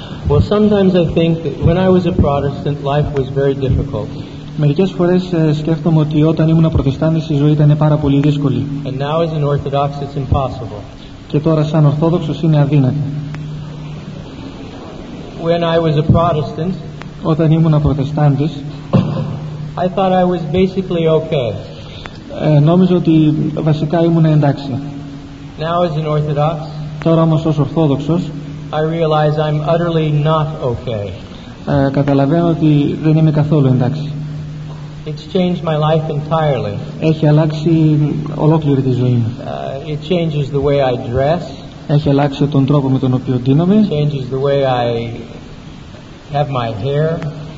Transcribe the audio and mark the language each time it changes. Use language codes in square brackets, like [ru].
[en] Well, sometimes I think that when I was a Protestant, life was very difficult. [el] Μερικές φορές σκέφτομαι ότι όταν ήμουν Προτεστάντης η ζωή ήταν πάρα πολύ δύσκολη. [en] And now as an Orthodox, it's impossible. [el] Και τώρα σαν Ορθόδοξος είναι αδύνατο. [en] When I was a Protestant, [el] όταν ήμουν Προτεστάντης, [en] I thought I was basically okay. [el] Νόμιζα ότι βασικά ήμουν εντάξει. [en] Now as an Orthodox, [el] τώρα όμως ως Ορθόδοξος, [en] I realize I'm utterly not okay. [el] Καταλαβαίνω ότι δεν είμαι καθόλου εντάξει. [en] It's changed my life entirely. [el] Έχει αλλάξει ολόκληρη τη ζωή μου. [en] It changes the way I dress. [el] Έχει αλλάξει τον τρόπο με τον οποίο ντύνομαι. [en] It changes the way I have my hair.